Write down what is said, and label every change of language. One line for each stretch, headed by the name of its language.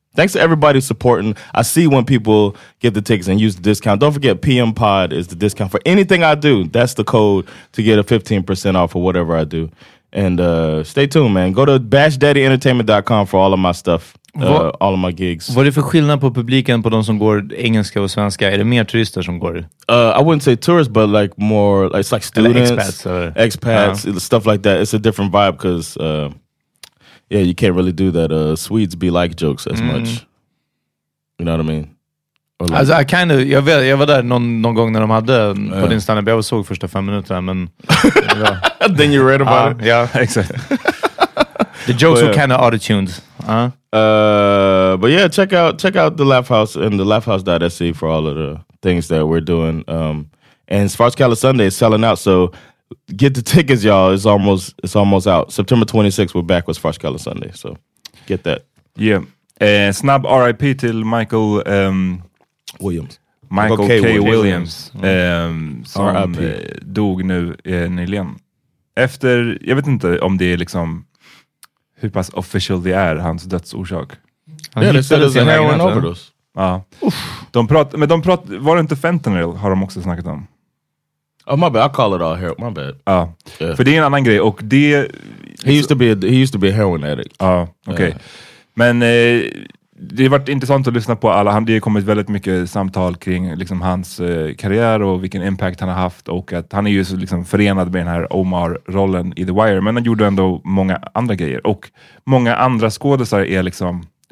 English: Thanks to everybody supporting. I see when people get the tickets and use the discount. Don't forget, PM Pod is the discount for anything I do. That's the code to get a 15% off of whatever I do. And stay tuned, man. Go to bashdaddyentertainment.com for all of my stuff, all of my gigs.
Swedish: Vad är det för skillnad på publiken på de som går engelska och svenska? Är det mer turister som går?
English: I wouldn't say tourists, but like more, it's like students.
Swedish: Eller
English: expats. Yeah. Stuff like that. It's a different vibe because... yeah, you can't really do that. Swedes be like jokes as much. You know what I mean? Like, alltså, I kind of...
Swedish: Jag var där någon gång när de hade på din stand-up. Jag såg första 5 minuter, men...
English: Then you read about it. Yeah, exactly. The jokes were kind of auto-tuned. But yeah, check out the Laugh House and the laughhouse.se for all of the things that we're doing. And Svartskalle Sunday is selling out, so... Get the tickets, y'all. It's almost out. September 26th, we're back with Fresh Color Sunday. So, get that.
Swedish: Yeah. Snabb RIP till Michael... Williams. Michael K. Williams. Som dog nu nyligen. Efter... Jag vet inte om det är liksom... Hur pass official det är, hans dödsorsak. Ja, det ställdes en heroin overdose. Ja. Var det inte fentanyl, har de också snackat om?
English: Oh my bad, I call it all heroin. My bad.
Swedish: Ah, för det är en annan grej. Och det
English: he used to be a heroin addict. Ah, okay. Yeah.
Swedish: Men det har varit intressant att lyssna på alla. Det har kommit väldigt mycket samtal kring liksom hans karriär och vilken impact han har haft och att han är ju liksom förenad med den här Omar-rollen i The Wire. Men han gjorde ändå många andra grejer och många andra skådespelare är liksom.